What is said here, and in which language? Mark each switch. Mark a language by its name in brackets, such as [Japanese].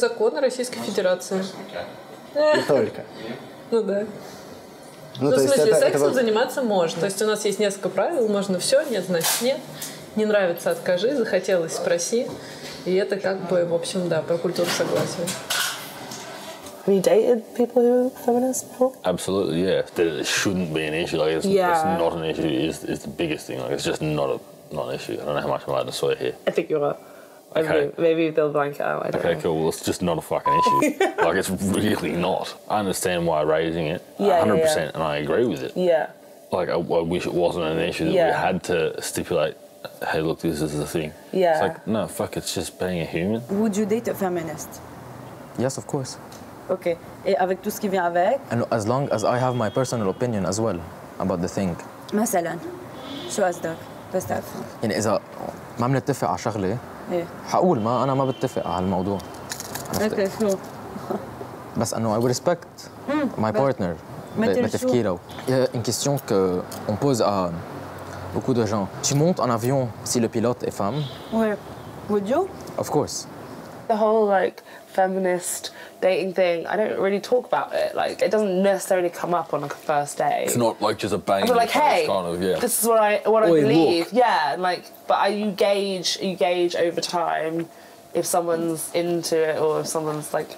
[Russian] Законы Российской Федерации. Не только. Ну да. Ну, то есть, в смысле, сексом это заниматься можно. То есть у нас есть несколько правил. Можно все, нет, значит нет. Не нравится — откажи, захотелось — спроси. И это как бы, в общем, да, про культуру согласия. [English] Have you dated people who are feminist before? Absolutely, yeah. It shouldn't be an issue. Like, it's not an issue. It's the biggest thing. Like, it's just not an issue. I don't know how much I'm allowed to swear here. I think you are. Maybe they'll blank out. I don't know. Cool. Well, it's just not a fucking issue. Like, it's really not. I understand why raising it. Yeah, 100%, yeah. And I agree with it. Yeah. Like, I wish it wasn't an issue that we had to stipulate, hey, look, this is the thing. Yeah. It's like, no, fuck, it's just being a human. Would you date a feminist? Yes, of course. [French] Okay. Et avec tout ce qui vient avec? [English] And as long as I have my personal opinion as well about the thing. [Arabic] مثلا, شو أصدق؟ بس تعرف. يعني إذا ما منتفق على شغلة, حقول ما أنا ما بتفق على الموضوع. Okay, شو؟ بس أنه [English] I would respect my partner [Arabic] بتفكيره. [French] Il y a une question que on pose à beaucoup de gens. Tu montes en avion si le pilote est femme? [English] Oui. Would you? Of course. The whole like feminist dating thing, I don't really talk about it. Like, it doesn't necessarily come up on like a first day. It's not like just a bang. But like, hey, kind of, yeah. This is what I believe. Yeah, like, but you gauge over time if someone's into it or if someone's like,